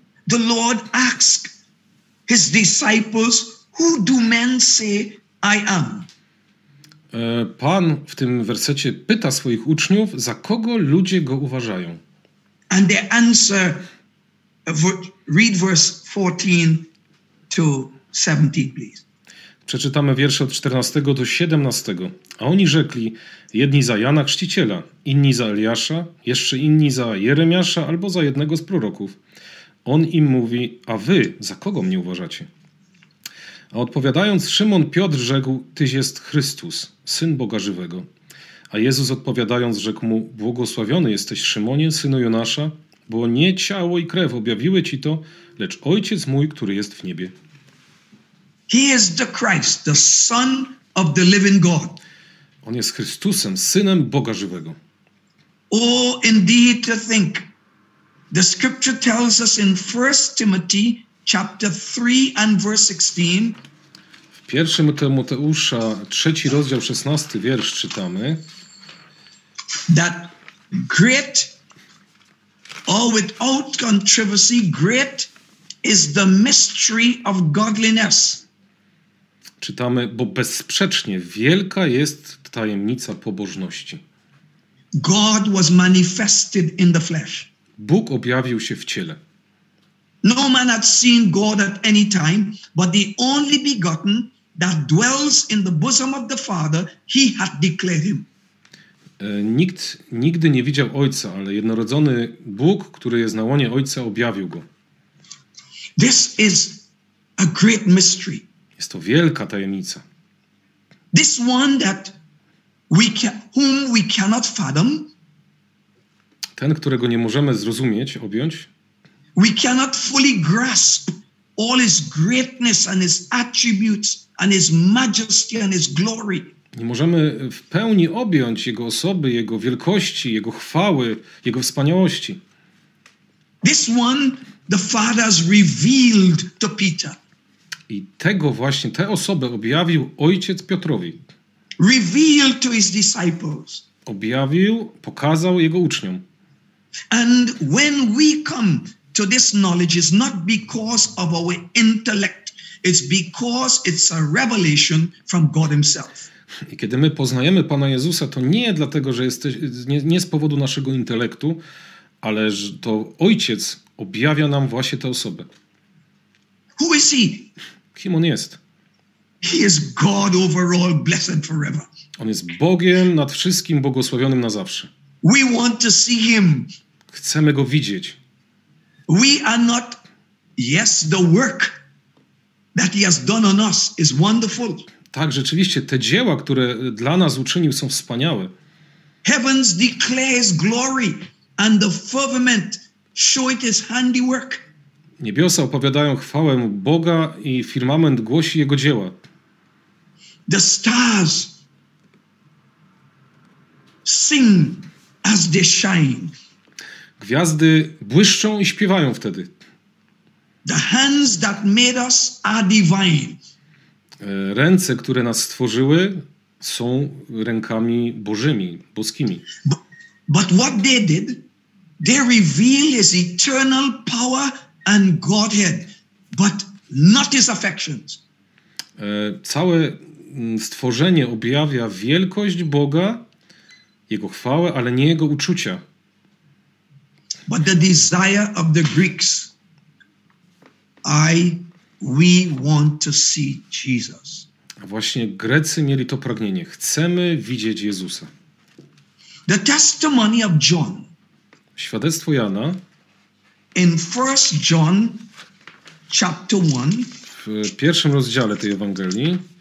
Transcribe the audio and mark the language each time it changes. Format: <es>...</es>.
<en>The Lord asked his disciples, who do men say I am?</en> <pl>Pan w tym wersecie pyta swoich uczniów, za kogo ludzie go uważają.</pl> <en>And they answer, read verse 14 to 17, please.</en> <pl>Przeczytamy wiersze od 14 do 17. A oni rzekli, jedni za Jana Chrzciciela, inni za Eliasza, jeszcze inni za Jeremiasza albo za jednego z proroków. On im mówi, a wy za kogo mnie uważacie? A odpowiadając, Szymon Piotr rzekł, tyś jest Chrystus, Syn Boga Żywego. A Jezus odpowiadając, rzekł mu, błogosławiony jesteś Szymonie, synu Jonasza, bo nie ciało i krew objawiły ci to, lecz Ojciec mój, który jest w niebie.</pl> <en>He is the Christ, the Son of the living God.</en> <pl>On jest Chrystusem, Synem Boga Żywego.</pl> <en>Oh, indeed to think. The scripture tells us in 1 Timothy chapter 3 and verse 16.</en> <pl>W 1 Tymoteusza, 3 rozdział, 16 wiersz czytamy.</pl> <en>That great or without controversy, great is the mystery of godliness.</en> <pl>Czytamy, bo bezsprzecznie wielka jest tajemnica pobożności.</pl> <en>God was manifested in the flesh.</en> <pl>Bóg objawił się w ciele.</pl> <en>No man had seen God at any time, but the only begotten that dwells in the bosom of the Father, he had declared him.</en> <pl>Nikt nigdy nie widział Ojca, ale jednorodzony Bóg, który jest na łonie Ojca, objawił go.</pl> <en>This is a great mystery.</en> <pl>Jest to wielka tajemnica.</pl> <en>This one that we can, whom we cannot fathom.</en> <pl>Ten, którego nie możemy zrozumieć, objąć.</pl> <en>We cannot fully grasp all his greatness and his attributes and his majesty and his glory.</en> <pl>Nie możemy w pełni objąć jego osoby, jego wielkości, jego chwały, jego wspaniałości.</pl> <en>This one the Father has revealed to Peter.</en> <pl>I tego właśnie, tę osobę objawił ojciec Piotrowi.</pl> <en>Revealed to his disciples.</en> <pl>Objawił, pokazał jego uczniom.</pl> <en>And when we come to this knowledge, it's not because of our intellect, it's because it's a revelation from God himself.</en> <pl>I kiedy my poznajemy Pana Jezusa, to nie dlatego, że jesteś, nie z powodu naszego intelektu, ale że to Ojciec objawia nam właśnie tę osobę.</pl> <en>Who is he?</en> <pl>Kim on jest?</pl> <en>He is God over all, blessed forever.</en> <pl>On jest Bogiem nad wszystkim, błogosławionym na zawsze.</pl> <en>We want to see him.</en> <pl>Chcemy go widzieć.</pl> <en>We are not, yes, the work that he has done on us is wonderful.</en> <pl>Tak, rzeczywiście, te dzieła, które dla nas uczynił, są wspaniałe.</pl> <en>Heavens declares glory and the firmament show it his handiwork.</en> <pl>Niebiosa opowiadają chwałę Boga i firmament głosi jego dzieła.</pl> <en>The stars sing as they shine.</en> <pl>Gwiazdy błyszczą i śpiewają wtedy.</pl> <en>The hands that made us are divine.</en> <pl>Ręce, które nas stworzyły, są rękami bożymi, boskimi.</pl> <en>But what they did, they reveal his eternal power and Godhead, but not his affections.</en> <pl>Całe stworzenie objawia wielkość Boga, jego chwałę, ale nie jego uczucia.</pl> <en>But the desire of the Greeks, we want to see Jesus.</en> <pl>A właśnie Grecy mieli to pragnienie. Chcemy widzieć Jezusa.</pl> <en>The testimony of John.</en> <pl>Świadectwo Jana.</pl> <en>In 1 John chapter 1.</en> <pl>W pierwszym rozdziale tej Ewangelii.</pl>